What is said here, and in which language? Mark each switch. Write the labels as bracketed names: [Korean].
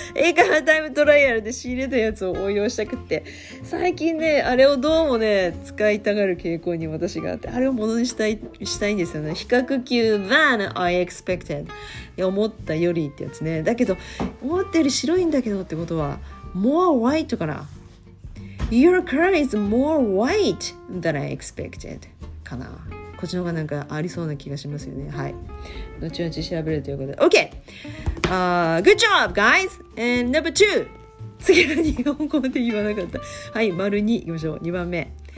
[Japanese] 映画タイムトライアルで仕入れたやつを応用したくって。最近ね、あれをどうもね、使いたがる傾向に私があって、あれをものにしたいんですよね。比較級 [English] than I expected。 [Japanese] 思ったよりってやつね。だけど、思ったより白いんだけどってことは、 [English] more white [Japanese] かな。 [English] Your car is more white than I expected [Japanese] かな。こっちの方がなんかありそうな気がしますよね。はい。後々調べるということで。 [English] OK!、Good job, guys! And number two! [Japanese] 次は日本語で言わなかった。はい、丸2行きましょう。2番目。